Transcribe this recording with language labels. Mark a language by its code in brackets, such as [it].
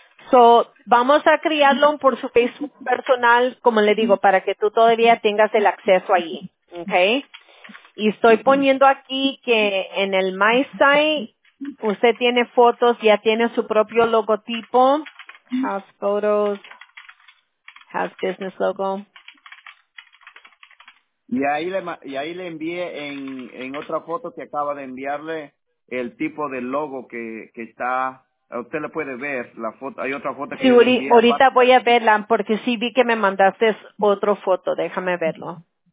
[es] So, vamos a criarlo por su Facebook personal, como le digo, para que tú todavía tengas el acceso ahí, okay. Y estoy poniendo aquí que en el My Site usted tiene fotos, ya tiene su propio logotipo. [en] Has photos, has business logo. [es] Y ahí le envié en otra foto que acaba de enviarle el tipo de logo que está. Usted le puede ver la foto. Hay otra foto que sí, Uri, ahorita voy a verla porque sí vi que me mandaste otra foto. Déjame verlo.